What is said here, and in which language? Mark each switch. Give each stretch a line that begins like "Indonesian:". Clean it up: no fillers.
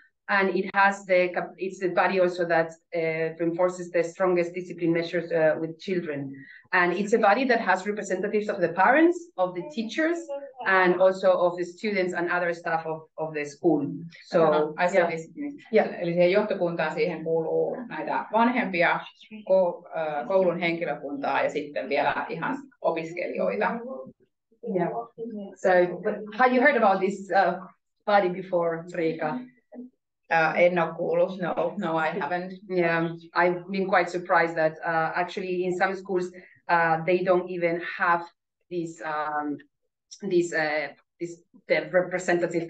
English: And it has the, it's the body also that reinforces the strongest discipline measures with children. And it's a body that has representatives of the parents, of the teachers, and also of the students and other staff of the school. So,
Finnish: Eli johtokuntaan siihen kuuluu näitä vanhempia, koulun henkilökuntaa ja sitten vielä ihan opiskelijoita.
English: Yeah. So, have you heard about this body before, Riika?
Finnish: En ole kuullut.
English: No, I haven't. Yeah, I've been quite surprised that actually in some schools they don't even have this the representative.